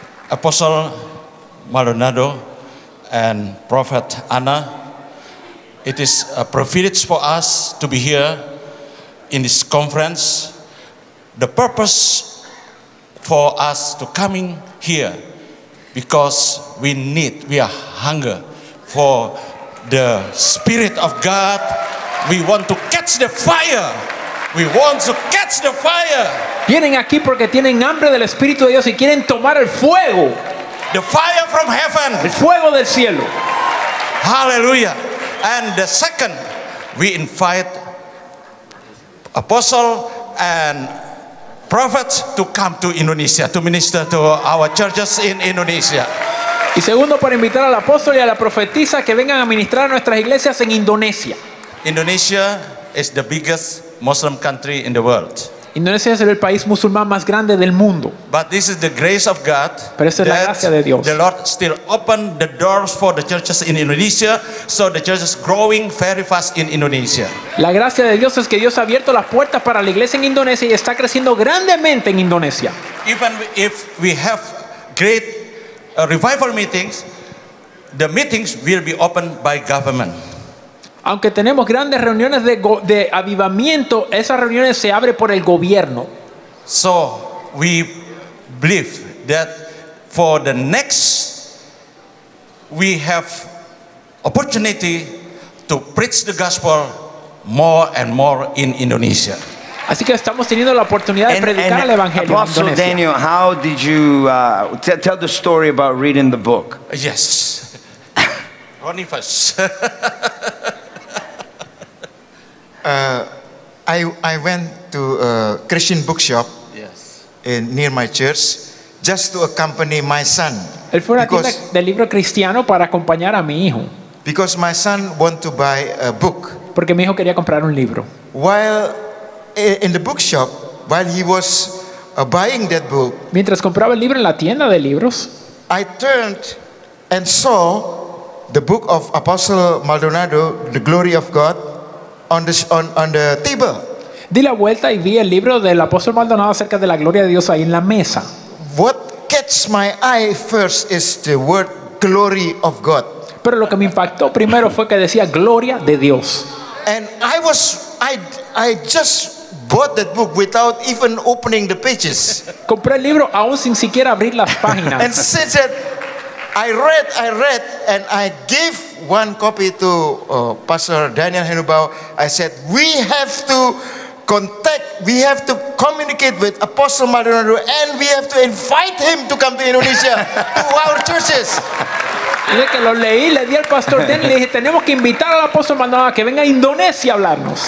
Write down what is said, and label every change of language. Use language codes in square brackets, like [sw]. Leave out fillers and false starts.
[en] Apostle Maldonado and Prophet Anna, it is a privilege for us to be here in this conference. The purpose for us to coming here because we are hungry for the Spirit of God. We want to catch the fire. We want to catch the fire. [es] Vienen aquí porque tienen hambre del Espíritu de Dios y quieren tomar el fuego. [en] The fire from heaven. [es] El fuego del cielo. [en] Hallelujah. And the second, we invite apostle and prophets to come to Indonesia to minister to our churches in Indonesia. [es] Y segundo, para invitar al apóstol y a la profetisa que vengan a ministrar a nuestras iglesias en Indonesia. [en] Indonesia is the biggest Muslim country in the world. [es] Indonesia es el país musulmán más grande del mundo. [en] But this is the grace of God. [es] Pero esa es la gracia de Dios. [en] The Lord still opened the doors for the churches in Indonesia, so the churches growing very fast in Indonesia. [es] La gracia de Dios es que Dios ha abierto las puertas para la iglesia en Indonesia y está creciendo grandemente en Indonesia. [en] Even if we have great revival meetings, the meetings will be opened by government. [es] Aunque tenemos grandes reuniones de avivamiento, esas reuniones se abren por el gobierno. [en] So we believe that for the next we have opportunity to preach the gospel more and more in Indonesia. [es] Así que estamos teniendo la oportunidad de predicar el evangelio. [en] Apostle Daniel, how did you tell the story about reading the book? Yes. Ronnie first. I went to a Christian bookshop, yes, in near my church just to accompany my son. [es] Él fue a la tienda del libro cristiano para acompañar a mi hijo. [en] Because my son want to buy a book. [es] Porque mi hijo quería comprar un libro. [en] While in the bookshop, while he was buying that book, [es] mientras compraba el libro en la tienda de libros, [en] I turned and saw the book of Apostle Maldonado, The Glory of God, on the table. [es] Di la vuelta y vi el libro del apóstol Maldonado acerca de la gloria de Dios ahí en la mesa. [en] What catch my eye first is the word glory of God. [es] Pero lo que me impactó primero fue que decía gloria de Dios. [en] And I just bought that book without even opening the pages. [es] Compré el libro aún sin siquiera abrir las páginas. [en] And since that I read and I gave one copy to Pastor Daniel Henubau. I said, we have to communicate with Apostle Maldonado, and we have to invite him to come to Indonesia to our churches. [es] Le que lo leí, le di al Pastor Daniel, le dije, tenemos que invitar al Apostle Maldonado a que venga a Indonesia a hablarnos.